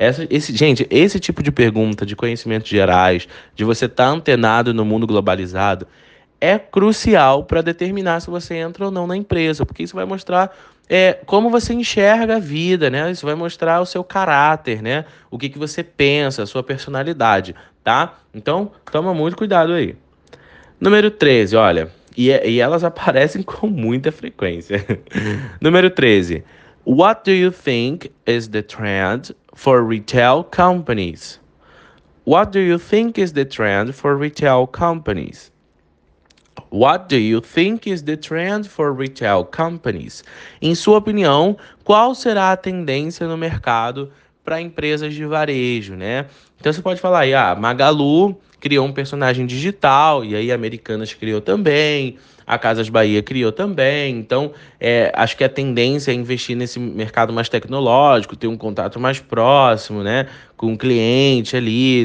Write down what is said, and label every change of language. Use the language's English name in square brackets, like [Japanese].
[Portuguese] Gente, esse tipo de pergunta de conhecimentos gerais, de você estar antenado no mundo globalizado, é crucial para determinar se você entra ou não na empresa, porque isso vai mostrar como você enxerga a vida, né? Isso vai mostrar o seu caráter, né? O que que você pensa, a sua personalidade, tá? Então, toma muito cuidado aí. Número 13, olha, e elas aparecem com muita frequência. Número 13. [English] What do you think is the trend for retail companies? What do you think is the trend for retail companies? What do you think is the trend for retail companies? [Portuguese] Em sua opinião, qual será a tendência no mercado para empresas de varejo, né? Então você pode falar aí, ah, Magalu criou um personagem digital, e aí Americanas criou também, a Casas Bahia criou também. Então, acho que a tendência é investir nesse mercado mais tecnológico, ter um contato mais próximo, né, com o cliente ali.